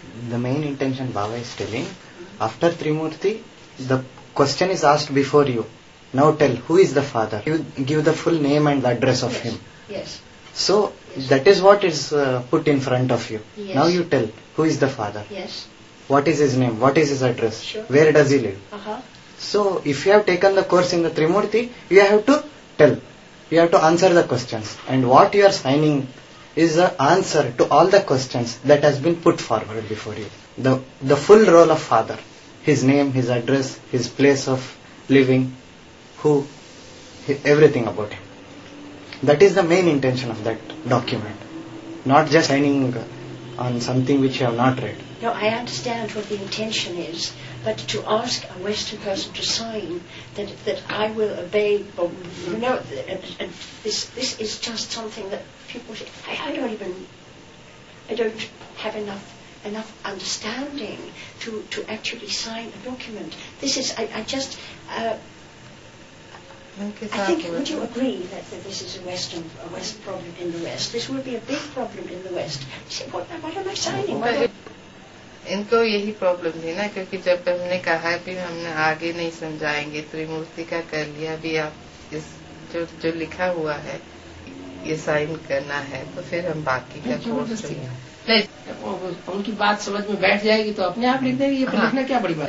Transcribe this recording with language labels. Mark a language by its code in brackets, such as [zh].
[en] The main intention Baba is telling after Trimurti the question is asked before you now tell who is the father you give the full name and the address of him so that is what is put in front of you now you tell who is the father yes what is his name, what is his address, sure, where does he live. Uh-huh. So if you have taken the course in the Trimurti, you have to tell, you have to answer the questions, and what you are signing is the answer to all the questions that has been put forward before you. The full role of father, his name, his address, his place of living, who, everything about him. That is the main intention of that document. Not just signing on something which you have not read. No, I understand what the intention is, but to ask a Western person to sign that I will obey, or, you know, and this is just something that people say, I don't have enough understanding to actually sign a document. This is, would you agree that this is a West problem in the West? This will be a big problem in the West. What am I signing? [hi] इनको यही problem थी ना क्योंकि जब हमने कहा भी हमने आगे नहीं समझाएंगे त्रिमूर्ति का कर लिया भी आप इस जो जो लिखा हुआ है ये साइन करना है तो फिर हम बाकी का कोर्स उनकी बात समझ में बैठ जाएगी तो अपने आप लिख देंगे ये लिखना क्या बड़ी बात